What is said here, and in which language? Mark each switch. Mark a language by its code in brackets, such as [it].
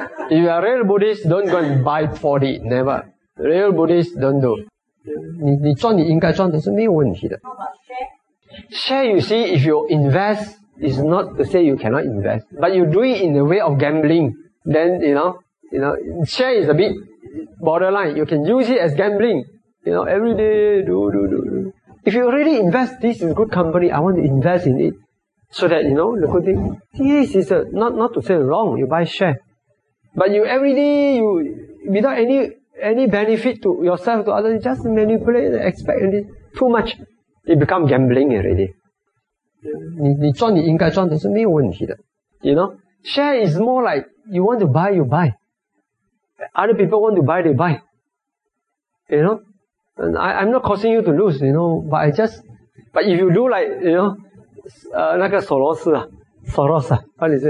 [en] If you are real Buddhist, don't go and buy 40, never. Real Buddhist, don't do. [zh] 你赚你应该赚的是没有问题的。 [en] Share, you see, if you invest. It's not to say you cannot invest, but you do it in the way of gambling. Then, you know, share is a bit borderline. You can use it as gambling. You know, every day, do. If you really invest, this is a good company, I want to invest in it. So that, you know, the good thing. This is not to say wrong, you buy share. But you every day, you, without any any benefit to yourself, to others, just manipulate and expect and too much. It becomes gambling already. [zh] 你赚你应该赚的是没有问题的。 [en] You know, share is more like you want to buy, you buy. Other people want to buy, they buy. You know, and I'm not causing you to lose, you know, but I just, but if you do like, you know, 那个 Soros 啊, Soros 啊, how do you say?